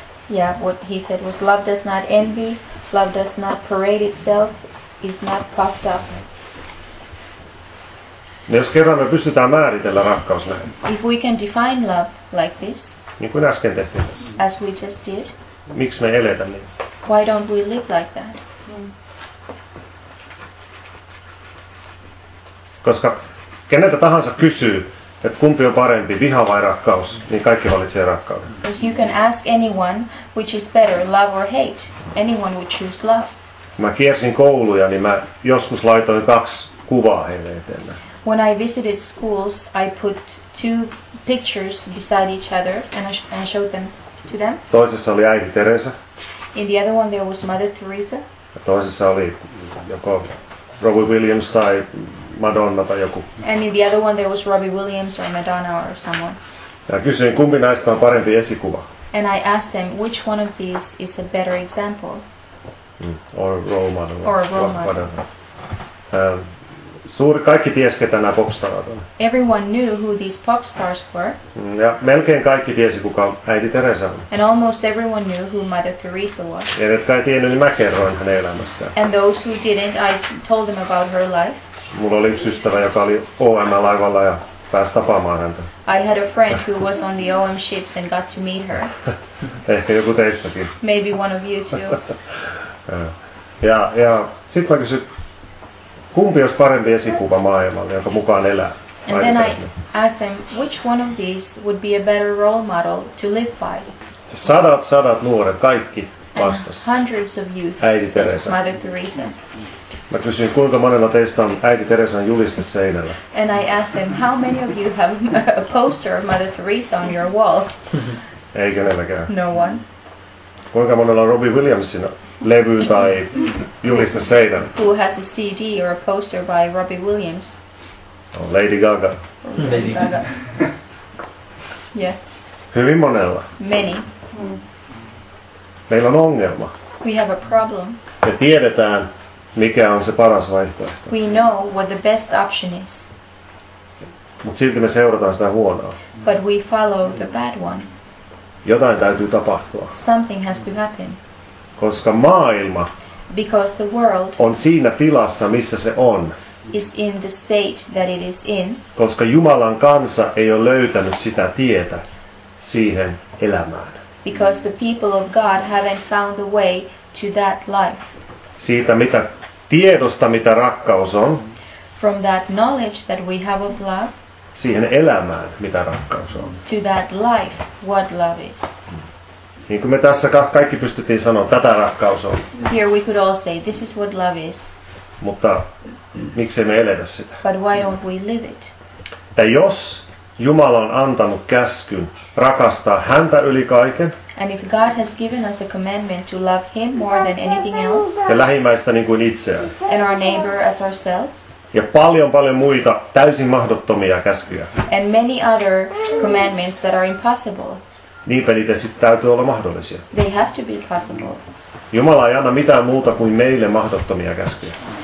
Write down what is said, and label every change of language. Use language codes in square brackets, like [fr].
[en] Yeah, what he said was love does not envy, love does not parade itself, is not puffed up. [fi] Jos kerran me pystytään määritellä rakkaus näin. [en] If we can define love like this. [fi] Niin kuin äsken tehtiin tässä. [en] As we just did. [fi] Miksi me eletään niin? [en] Why don't we live like that? [fi] Koska keneltä tahansa kysyy, Että kumpi on parempi, viha vai rakkaus, niin kaikki valitsee rakkauden. [en] Because you can ask anyone which is better, love or hate. Anyone would choose love. [fi] Mä kiersin kouluja, niin mä joskus laitoin kaksi kuvaa heille eteen. [en] When I visited schools, I put two pictures beside each other and I showed them to them. [fi] Toisessa oli äiti Teresa. [en] In the other one there was Mother Teresa. [fi] Ja toisessa oli joko Robbie Williams tai Madonna tai joku. [en] And in the other one there was Robbie Williams or Madonna or someone. [fi] Ja kysyin, kumpi näistä on parempi esikuva. [en] And I asked them which one of these is a better example. Or role model. Or role model. [fi] Suuri kaikki tiesi, ketä nämä popstarat on. [en] Everyone knew who these pop stars were. [fi] Ja melkein kaikki tiesi, kuka äiti Teresa on. [en] And almost everyone knew who Mother Teresa was. [fi] Ja jotka ei tiennyt, niin mä kerroin hänen elämästään. [en] And those who didn't, I told them about her life. [fi] Mulla oli yksi ystävä, joka oli OM-laivalla ja pääsi tapaamaan häntä. [en] I had a friend who was on the OM ships and got to meet her. [fi] Ehkä joku teistäkin. [en] Maybe one of you too. [fi] Ja sit mä kysyin, kumpi olisi parempi esikuva maailmalle, jonka mukaan elää? [en] And then I asked them, which one of these would be a better role model to live by? [fi] Sadat nuoret, kaikki vastasivat. [en] Hundreds of youth. [fi] Äiti Teresa. [en] Mother Teresa. [fi] Mä kysyin, kuinka monella teistä on äiti Teresan juliste seinällä? [en] And I asked them, how many of you have a poster of Mother Teresa on your wall? [fi] Ei kenelläkään. [en] No one. [fi] Kuinka monella on Robbie Williamsin levy tai juliste seinän? [en] Who has a CD or a poster by Robbie Williams? [fi] No, Lady Gaga. [en] Lady Gaga. Yes. [fi] Hyvin monella. [en] Many. Mm. [fi] Meillä on ongelma. [en] We have a problem. [fi] Me tiedetään, mikä on se paras vaihtoehto. [en] We know what the best option is. [fi] Mut silti me seurataan sitä huonoa. [en] But we follow the bad one. [fi] Jotain täytyy tapahtua. [en] Something has to happen. [fi] Koska maailma [en] because the world [fi] on siinä tilassa, missä se on. [en] Is in the state that it is in. [fi] Koska Jumalan kansa ei ole löytänyt sitä tietä siihen elämään. [en] Because the people of God haven't found the way to that life. [fi] Siitä mitä tiedosta, mitä rakkaus on. [en] From that knowledge that we have of love. [fi] Siihen elämään, mitä rakkaus on. [en] To that life, what love is. [fi] Niin kuin me tässä kaikki pystyttiin sanoa, tätä rakkaus on. [en] Here we could all say, this is what love is. [fi] Mutta miksei me eletä sitä? [en] But why don't we live it? [fi] Ja jos Jumala on antanut käskyn rakastaa häntä yli kaiken. [en] And if God has given us a commandment to love him more than anything else. [fi] Ja lähimmäistä niin kuin itseään. [en] And our neighbor as ourselves. [fi] Ja paljon muita täysin mahdottomia käskyjä. [en] And many other commandments that are impossible. [fi] Niinpä niitä sitten täytyy olla mahdollisia. [en] They have to be possible. [fi] Jumala ei anna mitään muuta kuin meille mahdottomia käskyjä.